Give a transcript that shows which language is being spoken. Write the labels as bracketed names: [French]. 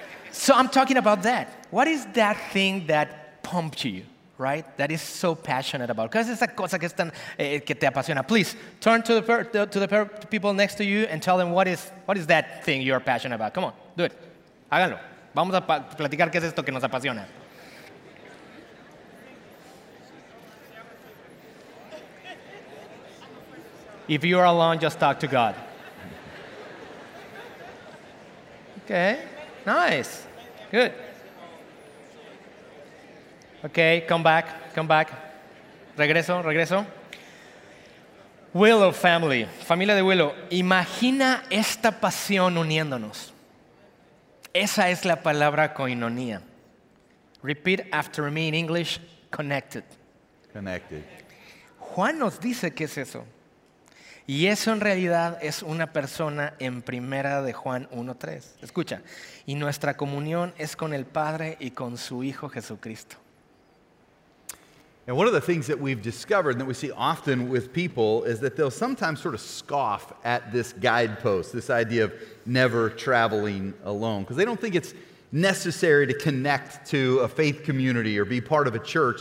[English] So I'm talking about that. What is that thing that pumped you, right? That is so passionate about. Because it's a [Spanish] cosa que, están, que te apasiona. [English] Please turn to the people next to you and tell them what is that thing you're passionate about. Come on, do it. [Spanish] Háganlo. Vamos a platicar qué es esto que nos apasiona. [English] If you are alone, just talk to God. Okay, nice, good. Okay, come back. [Spanish] Regreso. [English] Willow family, [Spanish] familia de Willow, imagina esta pasión uniéndonos. Esa es la palabra koinonia. [English] Repeat after me in English, connected. Connected. [Spanish] Juan nos dice qué es eso. Y eso en realidad es una persona en primera de Juan 1:3. Escucha, y nuestra comunión es con el Padre y con su Hijo Jesucristo. [English] And one of the things that we've discovered that we see often with people is that they'll sometimes sort of scoff at this guidepost, this idea of never traveling alone, because they don't think it's necessary to connect to a faith community or be part of a church.